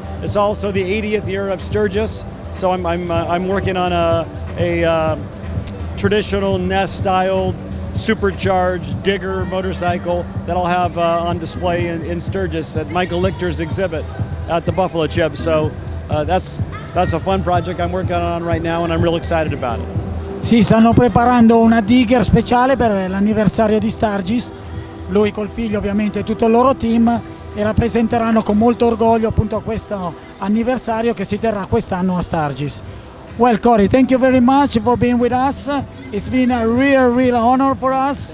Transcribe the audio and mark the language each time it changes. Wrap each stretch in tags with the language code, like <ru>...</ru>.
<en>It's also the 80th year of Sturgis. So I'm working on traditional Ness-styled supercharged digger motorcycle that I'll have on display in Sturgis at Michael Lichter's exhibit at the Buffalo Chip. So that's a fun project I'm working on right now, and I'm real excited about it.</en> <it>Sì, stanno preparando una digger speciale per l'anniversario di Sturgis. Lui col figlio ovviamente e tutto il loro team, e la presenteranno con molto orgoglio appunto a questo anniversario che si terrà quest'anno a Sturgis.</it> <en>Well, Corey, thank you very much for being with us. It's been a real, real honor for us.</en>